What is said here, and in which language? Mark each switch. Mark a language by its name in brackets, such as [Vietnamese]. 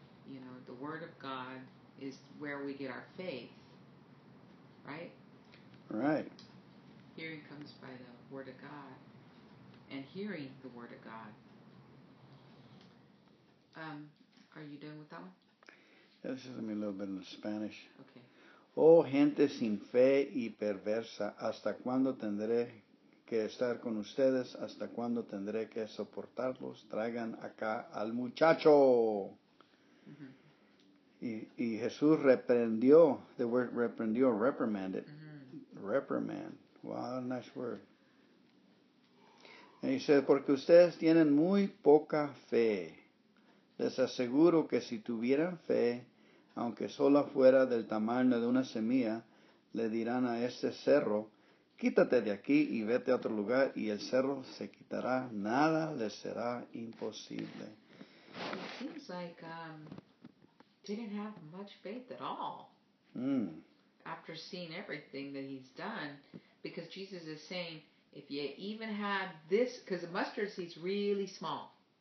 [English] You know, the word of God is where we get our faith. Right? Right. Hearing comes by the word of God. And hearing the word of God. Are you done with that one? This is going to be a little bit in Spanish. Okay. [Spanish] Oh, gente sin fe y perversa, ¿hasta cuándo tendré que estar con ustedes? ¿Hasta cuándo tendré que soportarlos? Traigan acá al muchacho. Uh-huh. Y Jesús reprendió, [English] the word [Spanish] reprendió, reprimanded. Uh-huh. [English] Reprimand. Wow, nice word. [Spanish] Y dice, porque ustedes tienen muy poca fe. Les aseguro que si tuvieran fe, aunque solo fuera del tamaño de una semilla, le dirán a ese cerro, quítate de aquí y vete a otro lugar, y el cerro se quitará. Nada le será imposible. [English] It seems like didn't have much faith at all. Mm. After seeing everything that he's done, because Jesus is saying, if you even had this, because the mustard seed's really small.